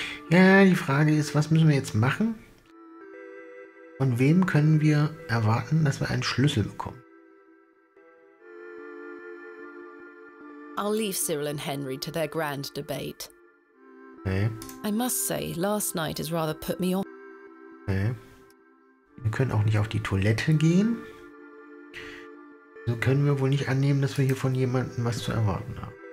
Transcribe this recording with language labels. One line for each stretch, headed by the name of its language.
German: Ja, die Frage ist, was müssen wir jetzt machen? Von wem können wir erwarten, dass wir einen Schlüssel bekommen?
English: I'll leave Cyril and Henry to their grand debate. Okay. I must say, last night has rather put me off. Okay.
German: Wir können auch nicht auf die Toilette gehen. So können wir wohl nicht annehmen, dass wir hier von jemandem was zu erwarten haben.